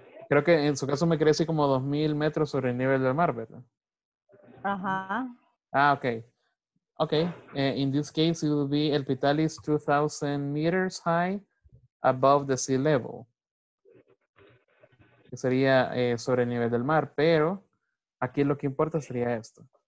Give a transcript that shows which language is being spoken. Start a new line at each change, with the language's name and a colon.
Spanish: Creo que en su caso me quiere decir como 2,000 metros sobre el nivel del mar, ¿verdad? Ajá. Ah, okay. Okay.
English: In this case, it would be El Pital is 2,000 meters high above the sea level.
Spanish: Que sería sobre el nivel del mar, pero aquí lo que importa sería esto.